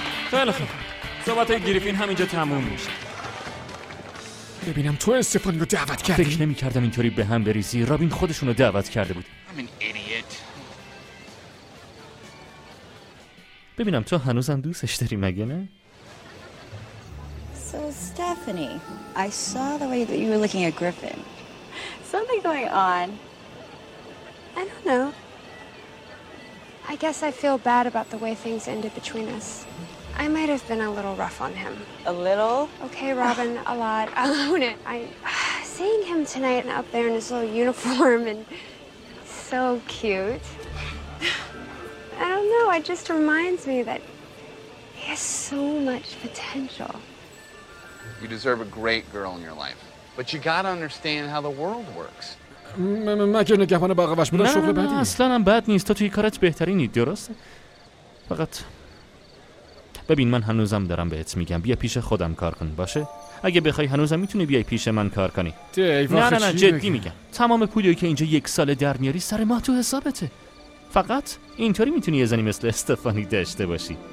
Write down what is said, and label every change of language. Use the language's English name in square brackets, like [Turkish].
[Persian] خیلی خوب، صحبت های گریفین همینجا تموم میشه. ببینم، تو استفانی رو دعوت کردی؟ فکر نمی کردم اینطوری به هم بریزی. رابین خودشون رو دعوت کرده بود. ببینم، تو هنوزم دوستش داری مگه نه؟ [English] So Stephanie, I saw the way that you were looking at Griffin. Something going on? I don't know. I guess I feel bad about the way things ended between us. I might have been a little rough on him. A little? Okay, Robin, a lot. I'll own it. I seeing him tonight and up there in his little uniform and so cute. I don't know, it just reminds me that he has so much potential. You deserve a great girl in your life. But you gotta understand how the world works. [Persian] مگر نگهبان باقوش بودن شغل بدی؟ نه، اصلا هم بد نیست. تو توی کارت بهترینی، درسته؟ فقط ببین، من هنوزم دارم بهت میگم بیا پیش خودم کار کن، باشه؟ اگه بخوای هنوزم میتونی بیای پیش من کار کنی. نه، جدی میگم. تمام پولی که اینجا یک سال در میاری سر ما تو حسابته. فقط اینطوری میتونی یه زنی مثل استفانی داشته باشی.